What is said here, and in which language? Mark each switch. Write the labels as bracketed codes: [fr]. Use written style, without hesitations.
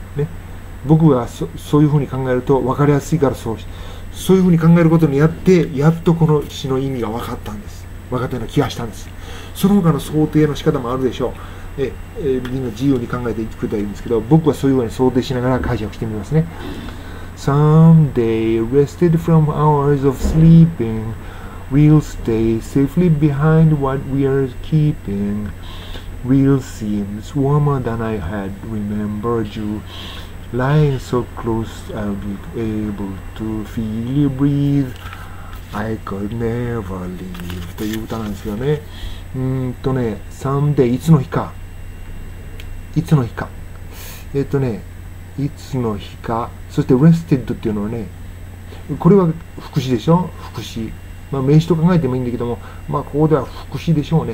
[ja] ね、僕は そういうふうに考えると分かりやすいから、そういうふうに考えることによって、やっとこの詩の意味が分かったんです。分かったような気がしたんです。その他の想定の仕方もあるでしょう。みんな自由に考えてくれたらいいんですけど、僕はそういうふうに想定しながら解釈してみますね。 [en] Someday, rested from hours of sleeping, we'll stay safely behind what we are keeping. Real seems warmer than I had remembered you. Lying so close, I'll be able to feel you breathe. I could never leave. [ja] という歌なんですよね。Someday, いつの日か。いつの日か。いつの日か。そして rested っていうのはね、これは副詞でしょ？副詞。まあ、名詞と考えてもいいんだけども、まあ、ここでは副詞でしょうね。